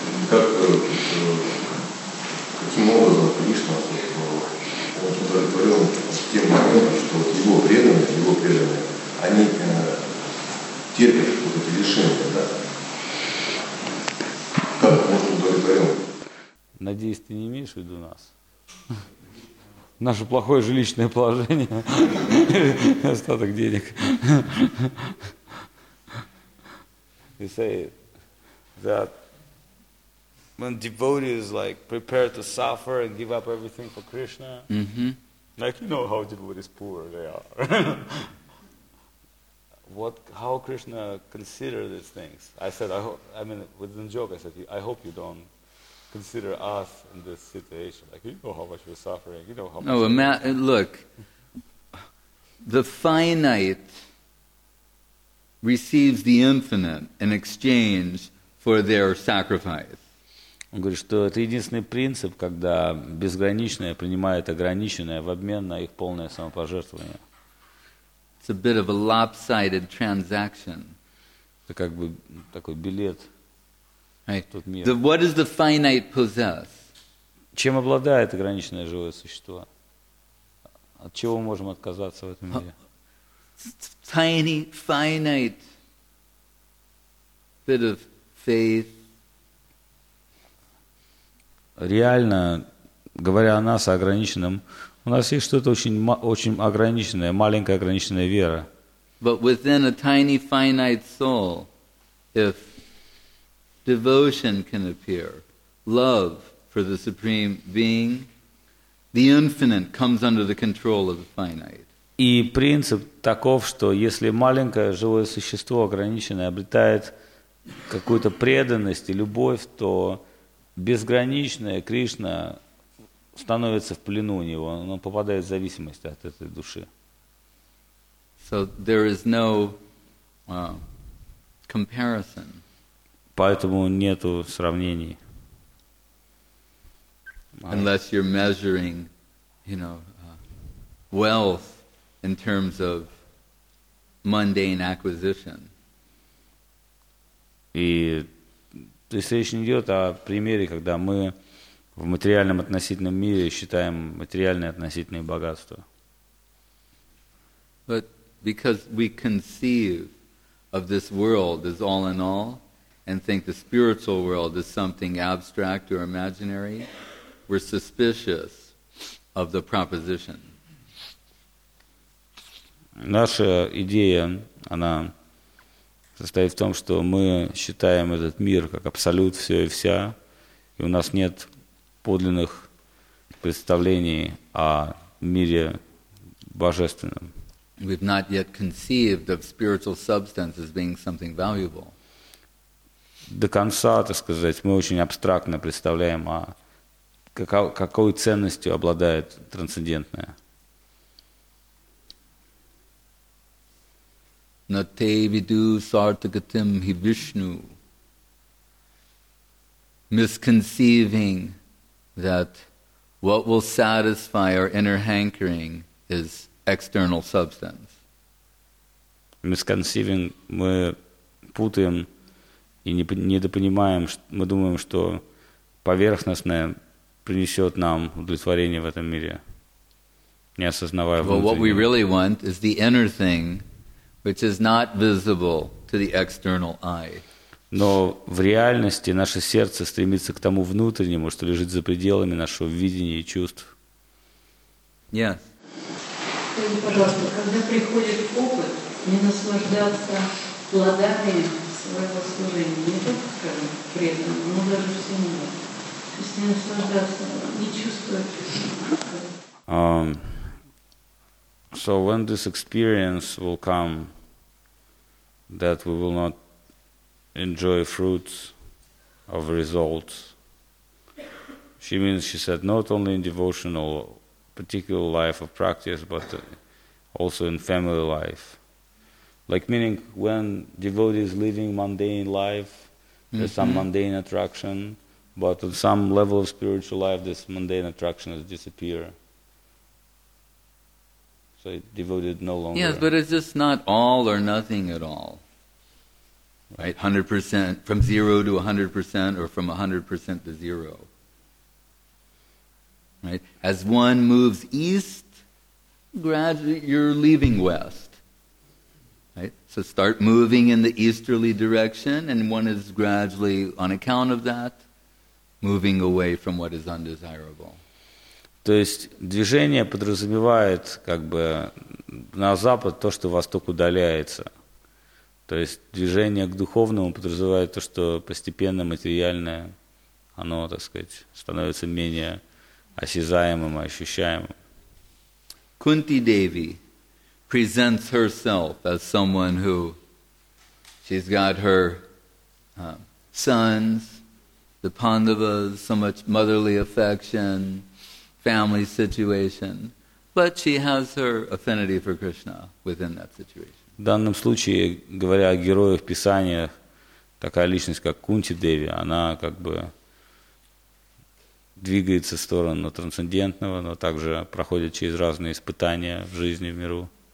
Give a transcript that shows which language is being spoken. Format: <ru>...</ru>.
<ru>Каким образом Кришна удовлетворен тем моментом, что его преданные, они терпят вот эти лишения, да? Как он удовлетворен? Надеюсь, ты не имеешь в виду нас. наше плохое жилищное положение, остаток денег.</ru> <en>You say that when devotees like prepare to suffer and give up everything for Krishna, mm-hmm. like you know how devotees poor they are. What, how Krishna consider these things? I said, I hope you don't consider us in this situation. Like, you know how much we're suffering. You know how much. No, look, the finite receives the infinite in exchange for their sacrifice.</en> <ru>Он говорит, что это единственный принцип, когда безграничное принимает ограниченное в обмен на их полное самопожертвование.</ru> <en>It's a bit of a lopsided transaction.</en> <ru>Это как бы такой билет.</ru> <en>Right.</en> <ru>Тот мир.</ru> <en>What does the finite possess?</en> <ru>Чем обладает ограниченное живое существо? От чего мы можем отказаться в этом мире?</ru> <en>Tiny, finite bit of faith.</en> <ru>Реально, говоря о нас, о ограниченном, у нас есть что-то очень ограниченное, маленькая ограниченная вера.</ru> <en>But within a tiny, finite soul, if devotion can appear, love for the Supreme Being, the infinite comes under the control of the finite.</en> <ru>И принцип таков, что если маленькое живое существо, ограниченное, обретает какую-то преданность и любовь, то безграничная Кришна становится в плену у него, он попадает в зависимость от этой души.</ru> <en>So there is no comparison.</en> <ru>Поэтому нету сравнений.</ru> <en>Unless you're measuring, you know, wealth in terms of mundane acquisition.</en> <ru>И то есть речь не идет о примере, когда мы в материальном относительном мире считаем материальные относительные богатства.</ru> <en>But because we conceive of this world as all in all and think the spiritual world is something abstract or imaginary, we're suspicious of the proposition.</en> <ru>Наша идея, она состоит в том, что мы считаем этот мир как абсолют, все и вся, и у нас нет подлинных представлений о мире божественном.</ru> <en>We've not yet conceived of spiritual substance as being something valuable.</en> <ru>До конца, так сказать, мы очень абстрактно представляем, а какой ценностью обладает трансцендентное.</ru> <sa>Nate vidu sartagatim hi Vishnu.</sa> <en>Misconceiving that what will satisfy our inner hankering is external substance.</en> <ru>Misconceiving, мы путаем и недопонимаем, мы думаем, что поверхностное принесет нам удовлетворение в этом мире, не осознавая внутреннего.</ru> <en>What we really want is the inner thing, which is not visible to the external eye.</en> <ru>Но в реальности наше сердце стремится к тому внутреннему, что лежит за пределами нашего видения и чувств.</ru> <en>Yes.</en> <ru>Скажите, пожалуйста, когда приходит опыт, не наслаждаться плодами своего служения, не только, скажем, преданным, но даже всему. То есть не наслаждаться, не чувствовать.</ru> <en>So when this experience will come, that we will not enjoy fruits of results. She said, not only in devotional, particular life of practice, but also in family life. Like, meaning when devotee is living mundane life, there's mm-hmm. some mundane attraction, but on some level of spiritual life, this mundane attraction has disappeared. So devotee no longer. Yes, but it's just not all or nothing at all. Right, 100%, from 0 to 100%, or from 100% to zero. Right, as one moves east, gradually you're leaving west. Right, so start moving in the easterly direction, and one is gradually, on account of that, moving away from what is undesirable.</en> <ru>То есть движение подразумевает как бы на запад то, что восток удаляется. То есть движение к духовному подразумевает то, что постепенно материальное, оно, так сказать, становится менее осязаемым, ощущаемым.</ru> <en>Кунти Деви presents herself as someone who she's got her sons, the Pandavas, so much motherly affection, family situation, but she has her affinity for Krishna within that situation.</en> <ru>В данном случае, говоря о героях Писания, такая личность, как Кунти Деви, она как бы двигается в сторону трансцендентного, но также проходит через разные испытания в жизни, в миру.</ru>